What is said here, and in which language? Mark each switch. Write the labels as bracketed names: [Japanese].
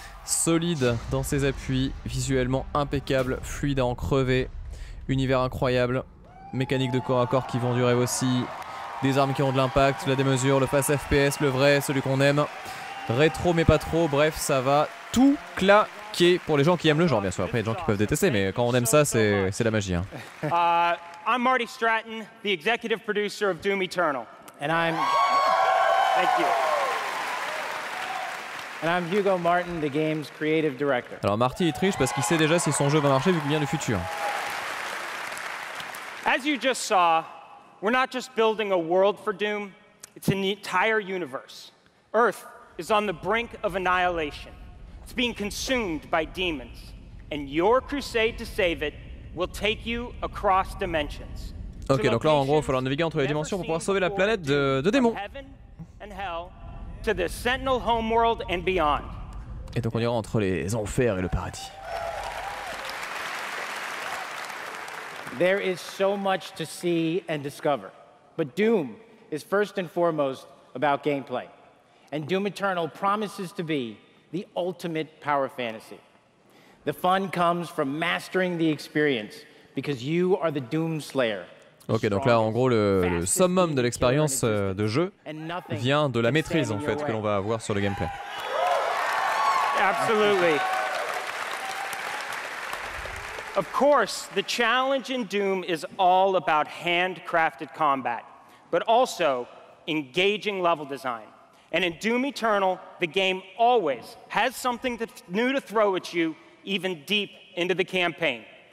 [French] solide dans ses appuis, visuellement impeccable, fluide à en crever, univers incroyable, mécanique de corps à corps qui vont durer aussi, des armes qui ont de l'impact, la démesure, le fast FPS, le vrai, celui qu'on aime, rétro mais pas trop, bref ça va tout claquer pour les gens qui aiment le genre, bien sûr, après il y a des gens qui peuvent détester, mais quand on aime ça, c'est la magie. [English] I'm Marty Stratton, the executive producer of Doom Eternal. And I'm... Thank you. And I'm Hugo Martin, the game's creative director. [French] Alors Marty, il triche parce qu'il sait déjà si son jeu va marcher vu qu'il vient du futur. [English] As you just saw, we're not just building a world for Doom, it's an entire universe. Earth is on the brink of annihilation. It's being consumed by demons. And your crusade to save it will take you across dimensions. [French] Ok, donc là en gros, il va falloir naviguer entre les dimensions pour pouvoir sauver la planète de démons. [English] Heaven and hell to the Sentinel homeworld and beyond. [French] Et donc on ira entre les enfers et le paradis. [English] There is so much to see and discover. But Doom is first and foremost about gameplay. And Doom Eternal promises to be the ultimate power fantasy. The fun comes from mastering the experience because you are the Doom Slayer. [French] Ok, donc là, en gros, le summum de l'expérience de jeu vient de la maîtrise, en fait, que l'on va avoir sur le gameplay. [English] Absolutely. Of course, the challenge in Doom is all about handcrafted combat, but also engaging level design. And in Doom Eternal, the game always has something new to throw at you, even deep into the campaign.